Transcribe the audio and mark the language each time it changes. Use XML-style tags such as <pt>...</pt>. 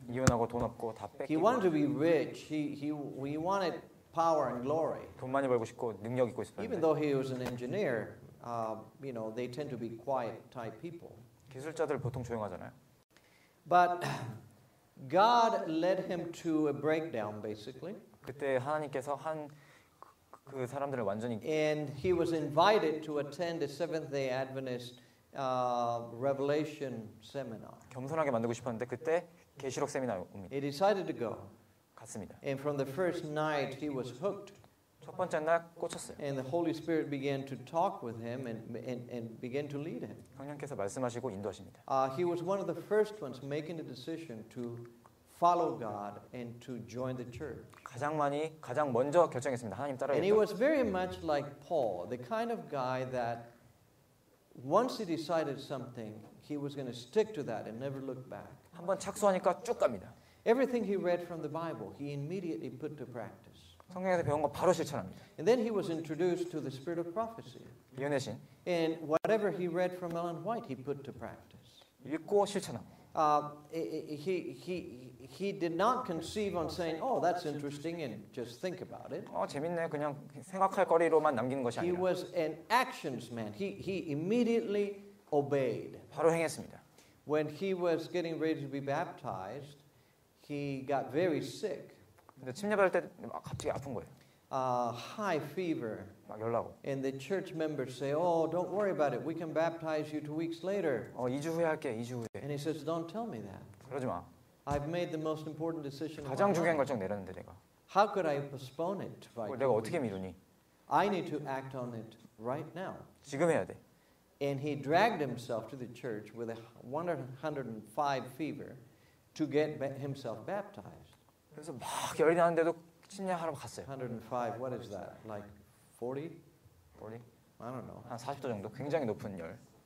<ko>이혼하고 돈 없고 다 뺏기고.</ko> <en>He wanted to be rich. He wanted power and glory.</en> <ko>돈 많이 벌고 싶고 능력 있고 싶었는데.</ko> <en>Even though he was an engineer, you know, they tend to be quiet type people.</en> <ko>기술자들 보통 조용하잖아요.</ko> <en>But God led him to a breakdown basically.</en> <ko>그때 하나님께서 한 그 사람들을 완전히</ko> <en>And he was invited to attend a Seventh-day Adventist revelation seminar.</en> <ko>겸손하게 만들고 싶었는데 그때 계시록 세미나에 옵니다.</ko> <en>He decided to go.</en> <ko>갔습니다.</ko> <en>And from the first night, he was hooked.</en> <ko>첫 번째 날 꽂혔어요.</ko> <en>And the Holy Spirit began to talk with him and began to lead him.</en> <ko>성령께서 말씀하시고 인도하십니다.</ko> <en>He was one of the first ones making the decision to follow God and to join the church.</en> <ko>가장 먼저 결정했습니다. 하나님 따라.</ko> <en>And he was very much like Paul, the kind of guy that once he decided something, he was going to stick to that and never look back.</en> <ko>한번 착수하니까 쭉 갑니다.</ko> <en>Everything he read from the Bible, he immediately put to practice.</en> <ko>성경에서 배운 거 바로 실천합니다.</ko> <en>And then he was introduced to the spirit of prophecy.</en> <ko>예언의 신.</ko> <en>And whatever he read from Ellen White, he put to practice.</en> <ko>읽고 실천하고.</ko> <en>He did not conceive on saying, oh, that's interesting, and just think about it.</en> <ko>재밌네. 그냥 생각할 거리로만 남기는 것이 아니라.</ko> <en>He was an actions man. He immediately obeyed.</en> <ko>바로 행했습니다.</ko> <en>When he was getting ready to be baptized, he got very sick.</en> <ko>근데 침례 받을 때 막 갑자기 아픈 거예요.</ko> <en>High fever.</en> <ko>막 열나고.</ko> <en>And the church members say, "Oh, don't worry about it. We can baptize you 2 weeks later."</en> <ko>2주 후에 할게. 2주 후에.</ko> <en>And he says, "Don't tell me that."</en> <ko>그러지 마.</ko> <en>I've made the most important decision.</en> <ko>가장 중요한 결정 내렸는데 내가.</ko> <en>How could I postpone it?</en> <ko>내가 어떻게 미루니?</ko> <en>I need to act on it right now.</en> <ko>지금 해야 돼.</ko> <en>And he dragged himself to the church with a 105 fever to get himself baptized.</en> <ko>그래서 막 열이 나는데도 침례하러 갔어요.</ko> <en>105, what is that? Like 40? 40? I don't know.</en> <ko>한 40도 정도, 굉장히 높은 열.</ko>